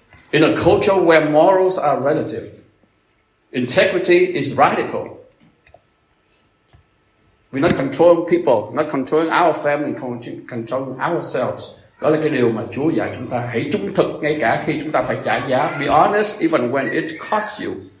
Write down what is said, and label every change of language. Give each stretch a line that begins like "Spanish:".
English: In a culture where morals are relative, integrity is radical. We're not controlling people, not controlling our family, controlling ourselves.
Vietnamese: Đó là cái điều mà Chúa dạy chúng ta. Hãy trung thực ngay cả khi chúng ta phải trả giá.
English: Be honest even when it costs you.